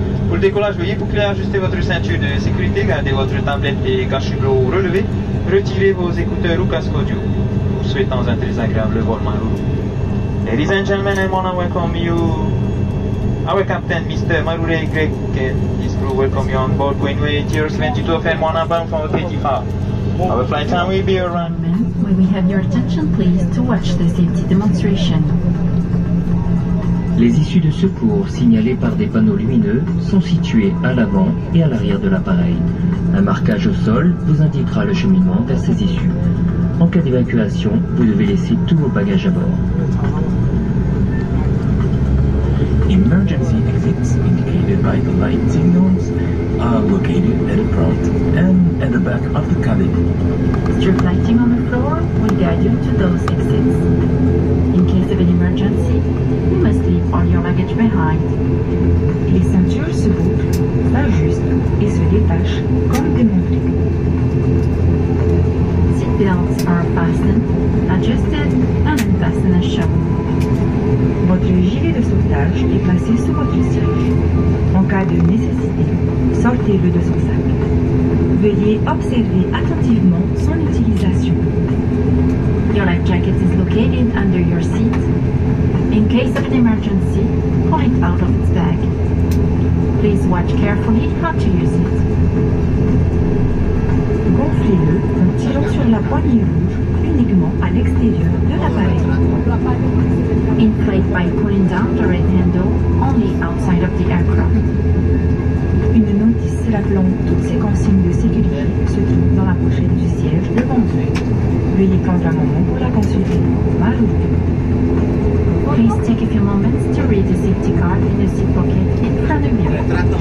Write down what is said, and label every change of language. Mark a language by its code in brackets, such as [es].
[fr] Pour le décollage, veuillez boucler, ajuster votre ceinture de sécurité, garder votre tablette et cachumbo relevé, retirer vos écouteurs ou casque audio. Vous souhaitons un très agréable vol, Maru. [en] Ladies and gentlemen, I want to welcome you. Our captain, Mr. Maru Ray Greg, is crew welcome you on board Queenway, Tiers 22 of M1 bound for 35. Our flight time will be around. May we have your attention, please, to watch the safety demonstration. [fr] Les issues de secours signalées par des panneaux lumineux sont situées à l'avant et à l'arrière de l'appareil. Un marquage au sol vous indiquera le cheminement vers ces issues. En cas d'évacuation, vous devez laisser tous vos bagages à bord. [en] Emergency exits indicated by the light signals are located at the front and at the back of the cabin. Strip lighting on the floor will guide you to those exits. In case of an emergency, you must leave all your luggage behind. [fr] Les ceintures se bouclent, s'ajustent et se détachent comme des montres. [en] Seat belts are fastened, adjusted, and unfastened as shown. [fr] Votre gilet de sauvetage est placé sous votre siège. En cas de nécessité, sortez-le de son sac. Veuillez observer attentivement son utilisation. [en] Your life jacket is located under your seat. In case of an emergency, pull it out of its bag. Please watch carefully how to use it. [fr] Gonflez-le en tirant sur la poignée rouge uniquement à l'extérieur de l'appareil. [en] Inflate by pulling down the red handle only outside of the aircraft. [fr] Une notice rappelant toutes ces consignes de sécurité se trouve dans la pochette du siège devant vous. Veuillez prendre un moment pour la consulter. Marou. [en] Please take a few moments to read the safety card in the seat pocket in front of you.